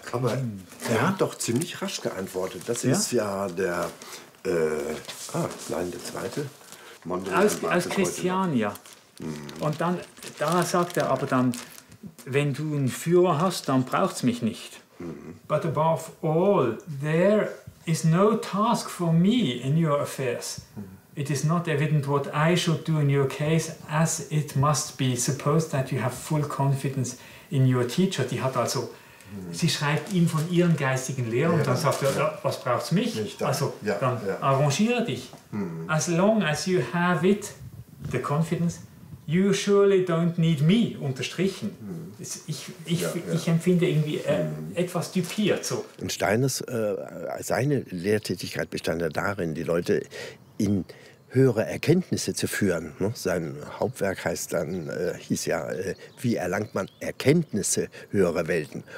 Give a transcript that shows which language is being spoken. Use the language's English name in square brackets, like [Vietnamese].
[German] Aber er hat doch ziemlich rasch geantwortet. Das ist ja der... der zweite. Aus Christiania. Und dann, da sagt er aber dann, wenn du einen Führer hast, dann braucht's mich nicht. Mhm. [English] But above all, there is no task for me in your affairs. It is not evident what I should do in your case, as it must be supposed that you have full confidence in your teacher. [German] Die hat also, sie schreibt ihm von ihren geistigen Lehrern und dann sagt er, was braucht's mich? Arrangiere dich. Mhm. [English] As long as you have it, the confidence, you surely don't need me, [German] unterstrichen. Ich empfinde irgendwie etwas düpiert. So. Und Steiners, seine Lehrtätigkeit bestand ja darin, die Leute in höhere Erkenntnisse zu führen. Ne? Sein Hauptwerk heißt dann, wie erlangt man Erkenntnisse höherer Welten?